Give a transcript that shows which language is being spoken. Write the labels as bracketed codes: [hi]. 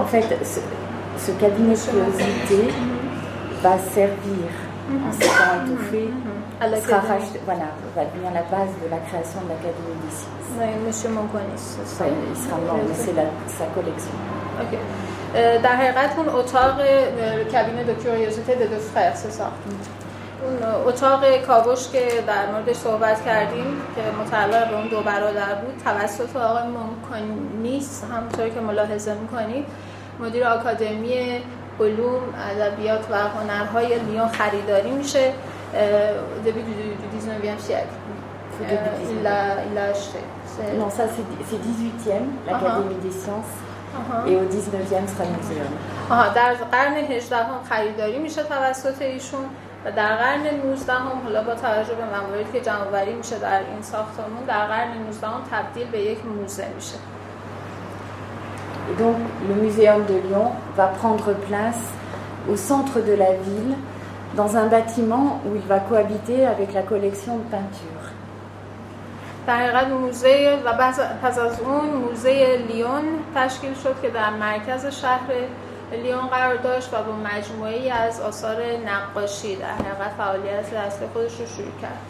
[fr] En fait, ce cabinet de curiosité va servir en ce temps étouffé. Voilà, va devenir la base de la création de l'Académie des sciences. Oui, monsieur Montconis. Il sera mort, mais c'est sa collection. OK. Dans le cabinet de curiosité des deux frères, c'est ça? [fa] اون اتاق کاوش که در مورد صحبت کردیم که متعلق به اون دو برادر بود توسط آقای ممکنی نیست، همونطور که ملاحظه میکنید مدیر آکادمی علوم ادبیات و هنرهای لیون خریداری میشه. در قرن 18 هم خریداری میشه توسط ایشون و در قرن 19 هم حالا با توجه به مواردی که جمع‌آوری میشه در این ساختمون در قرن 19 هم تبدیل به یک موزه میشه. [fr] Et donc le muséum de Lyon va prendre place au centre de la ville dans un bâtiment où il va cohabiter avec la collection de peinture. [fa] در قرن 19 و پس از اون موزه لیون تشکیل شد که در مرکز شهر لیون قرار داشت و با مجموعه ای از آثار نقاشی در حقیقت فعالیت اصلی خودش رو شروع کرد.